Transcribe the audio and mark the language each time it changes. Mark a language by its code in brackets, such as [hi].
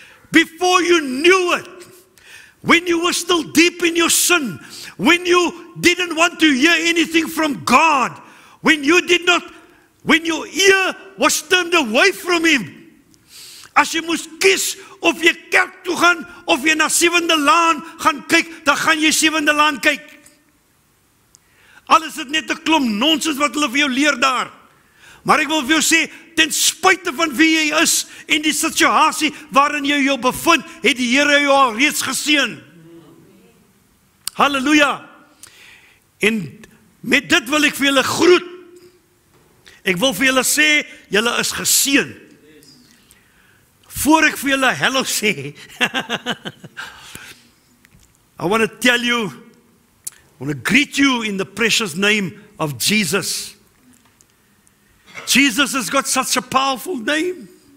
[en] Before you knew it, when you were still deep in your sin, when you didn't want to hear anything from God, when you did not, when your ear was turned away from Him, [af] as jy moest kies of jy kerk toe gaan, of jy na Sewende Laan gaan kyk, dan gaan jy Sewende Laan kyk. Alles is net een klomp nonsens wat hulle vir jou leer daar. Maar ek wil vir jou sê, ten spuite van wie jy is, en die situasie waarin jy jou bevind, het die Heere jou al reeds gesien. Halleluja! En met dit wil ek vir julle groet. Ek wil vir julle sê, julle is gesien. Voor ek vir julle hello sê, [en] I want to tell you, I want to greet you in the precious name of Jesus. Jesus has got such a powerful name.